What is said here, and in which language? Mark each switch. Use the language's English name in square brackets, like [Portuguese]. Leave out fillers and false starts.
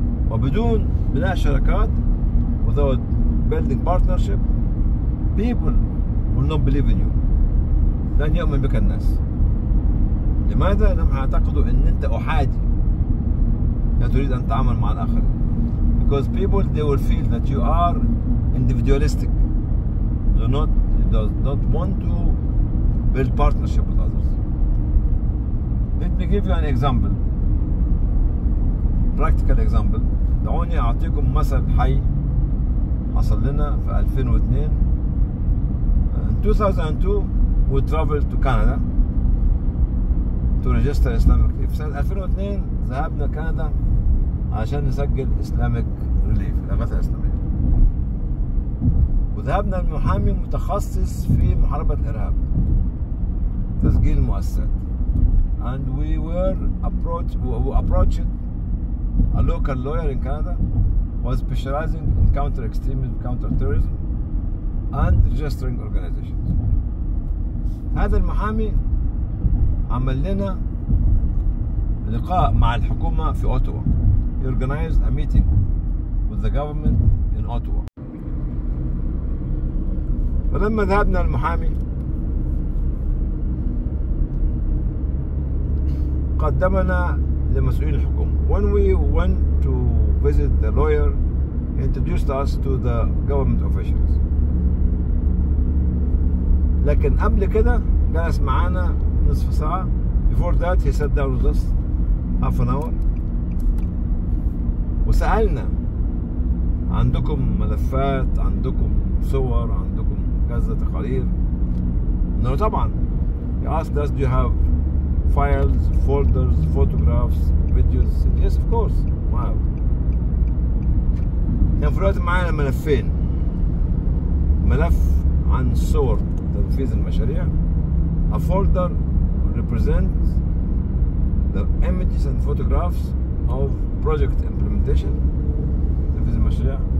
[Arabic] وبدون بناء شركات [English] without building partnership people will not believe in you. [Arabic] لن يؤمن بك الناس. لماذا؟ لم يعتقدوا أن أنت أحادي لا تريد أن تعمل مع الآخر. [English] Because people they will feel that you are individualistic. Do not want to build partnership with others. Let me give you an example. Practical example. [Arabic] دعوني أعطيكم مثل حي حصل لنا في 2002. [English] In 2002 we traveled to Canada to register Islamic Relief. [Arabic] سنة 2002 ذهبنا كندا عشان نسجل Islamic Relief، الإغاثة الإسلامية. وذهبنا المحامي متخصص في محاربة الإرهاب، تسجيل المؤسسات. [English] And we were approached a local lawyer in Canada was specializing in counter extremism, counter terrorism and registering organizations. [Arabic] هذا المحامي عمل لنا لقاء مع الحكومة في أوتوا. [English] He organized a meeting with the government in Ottawa. [Arabic] ولما ذهبنا المحامي قدمنا لمسؤولين الحكومة. [English] When we went to visit the lawyer, he introduced us to the government officials. [Arabic] لكن قبل كده جلس معانا نصف ساعة. [English] Before that he sat down with us half an hour. [Arabic] وسألنا عندكم ملفات، عندكم صور، عندكم كذا تقارير. [English] No, [Arabic] طبعا. [English] He asked us, do you have files, folders, photographs, videos? Yes, of course. Wow. [Arabic] كان في الوقت معانا ملفين. ملف عن صور تنفيذ المشاريع. [English] A folder represents the images and photographs of project implementation [Arabic] تنفيذ المشاريع.